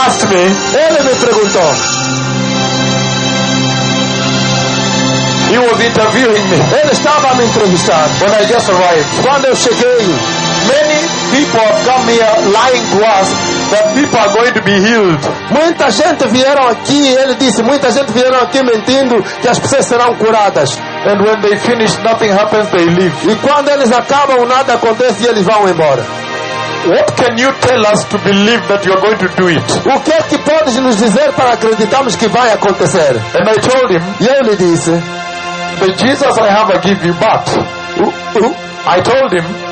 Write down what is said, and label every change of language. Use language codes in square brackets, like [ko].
[pt] Ele me perguntou. [en] He was interviewing me. [pt] Ele estava me entrevistando. [en] When I just arrived. [pt] Quando eu cheguei. [en] Many people have come here lying to us that people are going to be healed. [pt] Muita gente vieram aqui, ele disse, muita gente vieram aqui mentindo que as pessoas serão curadas. [en] And when they finish, nothing happens, they leave. [pt] E quando eles acabam, nada acontece e eles vão embora. [en] What can you tell us to believe that you are going to do it? [pt] O que é que podes nos dizer para acreditarmos que vai acontecer? [en] And I told him, [pt] e eu lhe disse, [en] the Jesus I have I give you, but I told him,